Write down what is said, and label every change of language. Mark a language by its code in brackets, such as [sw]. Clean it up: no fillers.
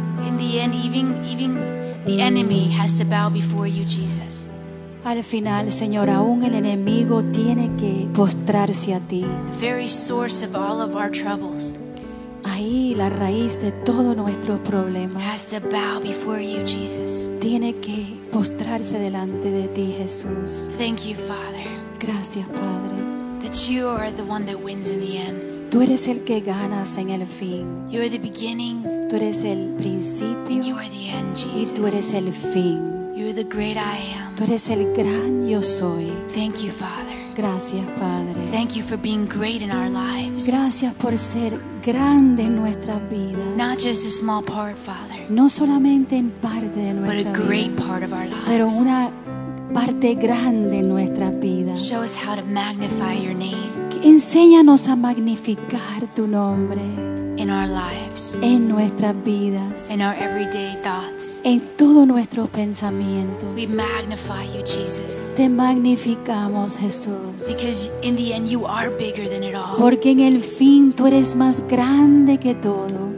[en] In the end, even the enemy has to bow before you, Jesus. [es] Al final, Señor, aún el enemigo tiene que postrarse a ti. [en] The very source of all of our troubles. [es] Ahí la raíz de todos nuestros problemas. [en] Has to bow before you, Jesus. [es] Tiene que postrarse delante de ti, Jesús. [en] Thank you, Father. [es] Gracias, Padre. [en] That you are the one that wins in the end. [es] Tú eres el que ganas en el fin. [en] You are the beginning. [es] Tú eres el principio. [en] And you are the end, Jesus. [es] Y tú eres el fin. [en] You are the great I am. [es] Tú eres el gran yo soy. [en] Thank you, Father. [es] Gracias, Padre. [en] Thank you for being great in our lives. [es] Gracias por ser grande en nuestras vidas. [en] Not just a small part, Father. [es] No solamente en parte de nuestra vida. [en] But a great [es] vida, [en] part of our lives. [es] Pero una parte grande en nuestras vidas. [en] Show us how to magnify your name. [es] Enséñanos a magnificar tu nombre. [en] In our lives. [es] En nuestras vidas. [en] In our everyday thoughts. [es] En todos nuestros pensamientos. [en] We magnify you, Jesus. [es] Te magnificamos, Jesús. [en] Because in the end you are bigger than it all. [es] Porque en el fin tú eres más grande que todo.